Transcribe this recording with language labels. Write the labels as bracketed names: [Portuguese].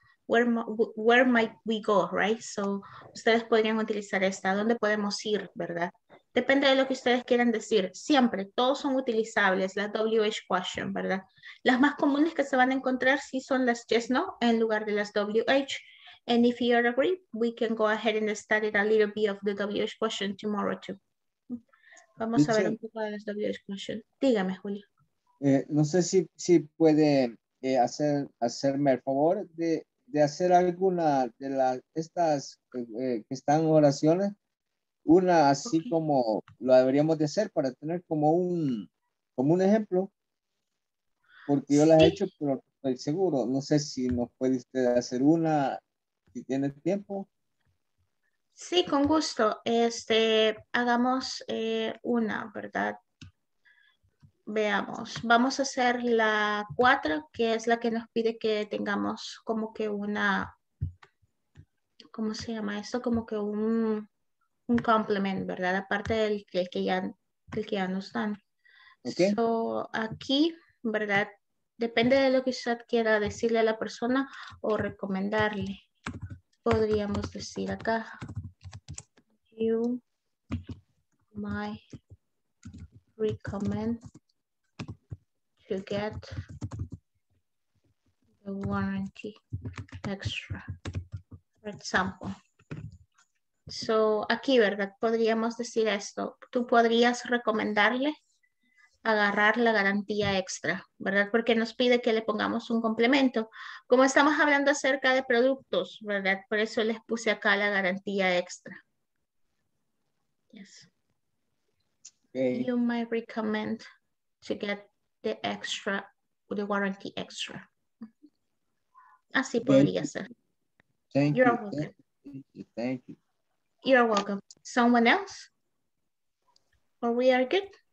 [English] Where might we go, right? So, ustedes podrían utilizar esta. [Spanish] ¿Dónde podemos ir, verdad? Depende de lo que ustedes quieran decir. Siempre, todos son utilizables, la WH question, ¿verdad? Las más comunes que se van a encontrar sí son las yes, no, en lugar de las WH. [English] And if you agree, we can go ahead and study a little bit of the WH question tomorrow too. [Spanish] Vamos a ver un poco de las WH question. Dígame, Julio. No sé si puede hacerme el favor de hacer alguna de las estas que están en oraciones, una así okay. Como lo deberíamos de hacer para tener como un ejemplo, porque yo sí. Las he hecho, pero estoy seguro. No sé si nos puede usted hacer una, si tiene tiempo. Sí, con gusto. Hagamos una, ¿verdad? Veamos. Vamos a hacer la 4, que es la que nos pide que tengamos como que una... ¿Cómo se llama esto? Como que un complement, ¿verdad? Aparte del que ya nos dan. Okay. So, aquí, ¿verdad? Depende de lo que usted quiera decirle a la persona o recomendarle. Podríamos decir acá. [English] You might recommend to get the warranty extra. For example. So, aquí, ¿verdad? [Spanish] Podríamos decir esto. Tú podrías recomendarle agarrar la garantía extra, ¿verdad? Porque nos pide que le pongamos un complemento. Como estamos hablando acerca de productos, ¿verdad? Por eso les puse acá la garantía extra. [English] Yes. Okay. You might recommend to get the extra, the warranty extra. [Spanish] Así podría ser. [English] Thank You're you. Welcome. Thank you. You're welcome. Someone else? Or we are good?